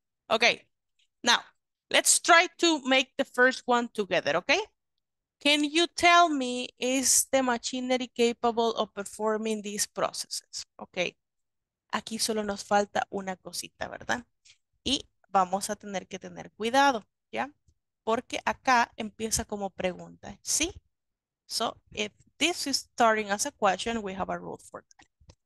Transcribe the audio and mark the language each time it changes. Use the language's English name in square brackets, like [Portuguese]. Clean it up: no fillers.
[English] Okay. Now, let's try to make the first one together, okay? Can you tell me, is the machinery capable of performing these processes? [Spanish] Okay, aquí solo nos falta una cosita, ¿verdad? Y vamos a tener que tener cuidado, ¿ya? Porque acá empieza como pregunta, ¿sí? [English] So, if this is starting as a question, we have a rule for that.